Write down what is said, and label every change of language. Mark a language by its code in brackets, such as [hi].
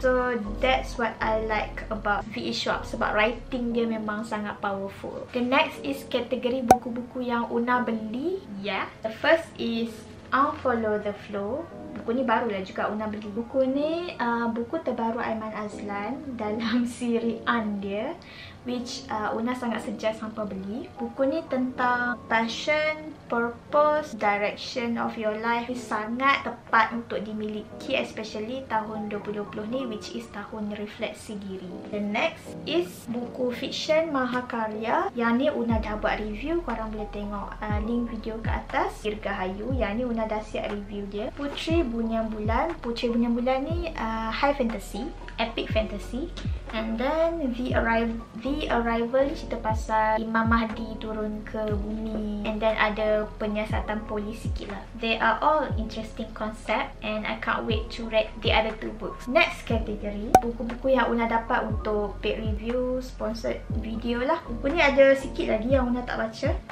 [en] So that's what I like about V-Shop. [ms] Sebab writing dia memang sangat powerful. [en] The next is [ms] kategori buku-buku yang Una beli. Yeah. [en] The first is [ms] Unfollow the Flow. Buku ni barulah juga Una beli. Buku ni buku terbaru Aiman Azlan dalam siri An dia, which Una sangat suggest sampai beli. Buku ni tentang [en] passion, purpose, direction of your life. [ms] Ini sangat tepat untuk dimiliki, especially tahun 2020 ni, which is tahun refleksi diri. [en] The next is [ms] buku fiction mahakarya. Yang ni Una dah buat review, korang boleh tengok link video ke atas. Dirgahayu, yang ni Una dah siap review dia. Puteri Bunyian Bulan. Puteri Bunyian Bulan ni [en] high fantasy, epic fantasy. And then [ms] The Arrival, cerita pasal Imam Mahdi turun ke bumi. [en] And then [ms] ada penyiasatan polis sikit lah. [en] They are all interesting concept and I can't wait to read the other two books. Next category, [ms] buku-buku yang Una dapat untuk [en] paid review, sponsored video [ms] lah. Buku ni ada sikit lagi yang Una tak baca.